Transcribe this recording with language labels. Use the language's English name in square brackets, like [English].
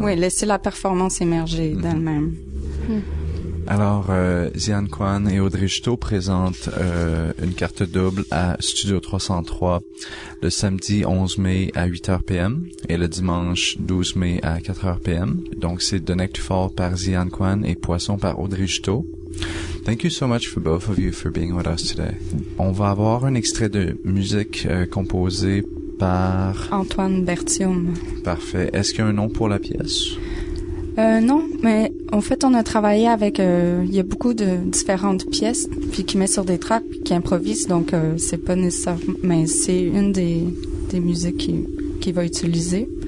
[French] Oui, laisser la performance émerger d'elle-même. Alors, Zian Kwan et Audrey Juteau présentent une carte double à Studio 303 le samedi 11 mai à 8h PM et le dimanche 12 mai à 4h PM. Donc, c'est The Neck to Fall par Zian Kwan et Poisson par Audrey Juteau. [English] Thank you so much for both of you for being with us today. [French] On va avoir un extrait de musique composée par... Antoine Bertium. Parfait. Est-ce qu'il y a un nom pour la pièce? Non, mais en fait, on a travaillé avec... Il y a beaucoup de différentes pièces puis qui met sur des tracks, qui improvise, donc c'est pas nécessaire, mais c'est une des musiques qui va utiliser.